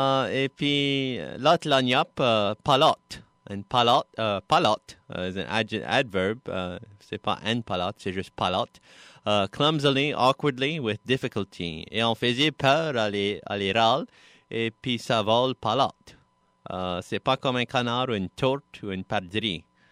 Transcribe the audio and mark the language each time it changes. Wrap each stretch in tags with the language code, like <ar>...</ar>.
<fr>Et puis, l'autre lagnap, palotte. Palotte</fr> <en>is an adverb.</en> <fr>C'est pas un palotte, c'est juste palotte.</fr> <en>Clumsily, awkwardly, with difficulty.</en> <fr>Et on faisait peur à les râles, et puis ça vole palotte. C'est pas comme un canard ou une tourte ou une perdrix.</fr>